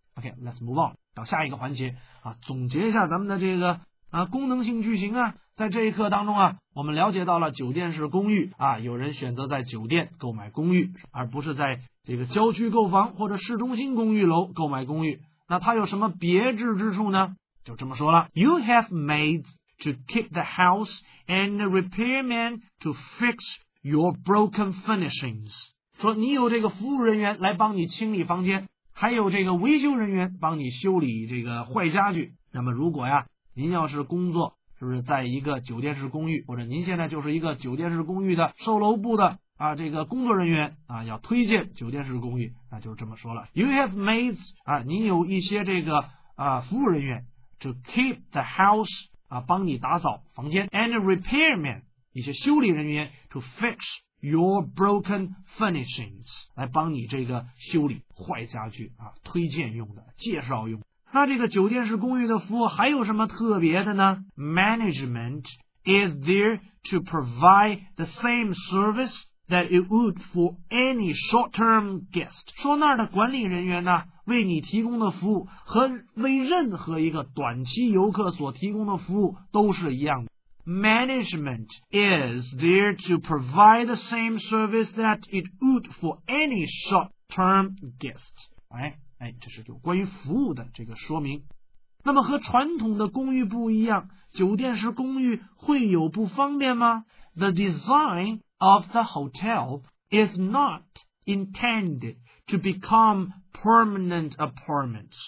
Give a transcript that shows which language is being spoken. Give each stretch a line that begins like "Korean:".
Chinese: OK, let's move on 到下一个环节啊，总结一下咱们的这个啊功能性句型啊，在这一课当中啊，我们了解到了酒店式公寓啊，有人选择在酒店购买公寓，而不是在这个郊区购房或者市中心公寓楼购买公寓。那它有什么别致之处呢？
English: 就这么说了，You have maids to keep the house and a repairman to fix your broken furnishings。
Chinese: 说你有这个服务人员来帮你清理房间，还有这个维修人员帮你修理这个坏家具。那么如果呀，您要是工作是不是在一个酒店式公寓，或者您现在就是一个酒店式公寓的售楼部的啊这个工作人员啊，要推荐酒店式公寓，那就这么说了 ， You have maids 啊，您有一些这个啊服务人员 to keep the house 啊，帮你打扫房间 ， and repairman 一些修理人员 to fix your broken furnishings 来帮你这个修理坏家具啊，推荐用的，介绍用的。
English: 那这个酒店式公寓的服务还有什么特别的呢？Management is there to provide the same service that it would for any short-term guest。
Chinese: 说那儿的管理人员呢，为你提供的服务和为任何一个短期游客所提供的服务都是一样的。
English: Management is there to provide the same service that it would for any short-term guest。
Chinese: 哎，这是有关于服务的这个说明。
English: 那么和传统的公寓不一样，酒店式公寓会有不方便吗？The design of the hotel is not intended to become permanent apartments。